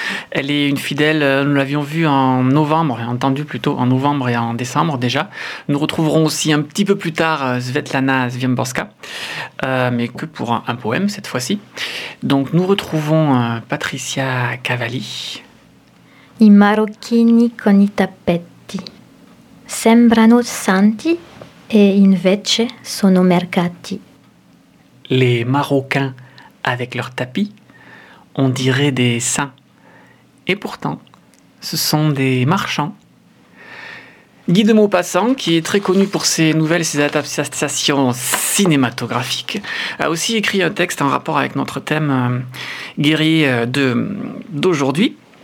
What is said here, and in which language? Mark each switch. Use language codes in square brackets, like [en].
[fr] Elle est une fidèle, nous l'avions vue en novembre, entendue plutôt en novembre et en décembre déjà. Nous retrouverons aussi un petit peu plus tard Svetlana Zviamborska, mais que pour un poème cette fois-ci. Donc nous retrouvons Patricia Cavalli. [it] I marocchini con i tappetti sembrano santi e invece sono mercati. [fr] Les marocains avec leurs tapis, on dirait des saints. Et pourtant, ce sont des marchands. Guy de Maupassant, qui est très connu pour ses nouvelles, ses adaptations cinématographiques, a aussi écrit un texte en rapport avec notre thème guerrier d'aujourd'hui.